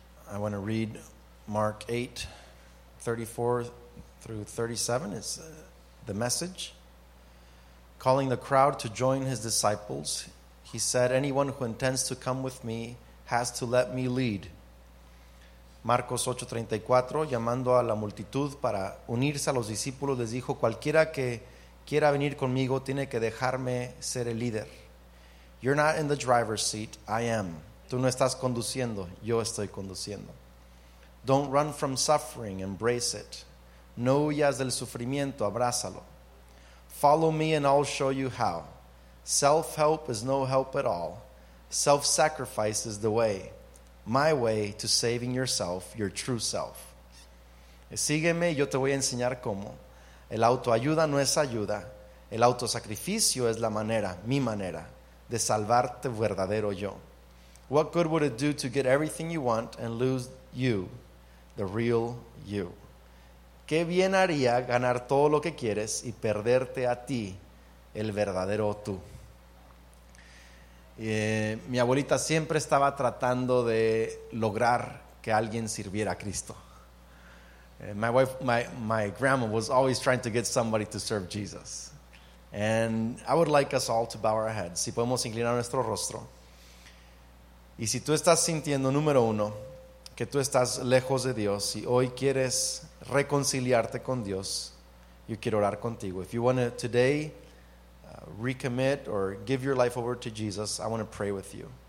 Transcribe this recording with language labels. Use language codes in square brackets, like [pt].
[en] I want to read Mark 8, 34 through 37. It's the message. Calling the crowd to join his disciples, he said, "Anyone who intends to come with me has to let me lead." [es] Marcos 8:34, llamando a la multitud para unirse a los discípulos, les dijo, "Cualquiera que quiera venir conmigo tiene que dejarme ser el líder." [en] "You're not in the driver's seat, I am." [es] Tú no estás conduciendo, yo estoy conduciendo. [en] "Don't run from suffering, embrace it." [es] No huyas del sufrimiento, abrázalo. [en] "Follow me and I'll show you how." "Self-help is no help at all. Self-sacrifice is the way. My way to saving yourself, your true self." [es] Sígueme y yo te voy a enseñar cómo. El autoayuda no es ayuda. El autosacrificio es la manera, mi manera, de salvarte verdadero yo. [en] "What good would it do to get everything you want and lose you, the real you?" [es] ¿Qué bien haría ganar todo lo que quieres y perderte a ti, el verdadero tú? Mi abuelita siempre estaba tratando de lograr que alguien sirviera a Cristo. [en] My grandma was always trying to get somebody to serve Jesus. And I would like us all to bow our heads. [es] Si podemos inclinar nuestro rostro. Y si tú estás sintiendo, número uno, que tú estás lejos de Dios y hoy quieres reconciliarte con Dios, yo quiero orar contigo. [en] If you want to today recommit or give your life over to Jesus, I want to pray with you.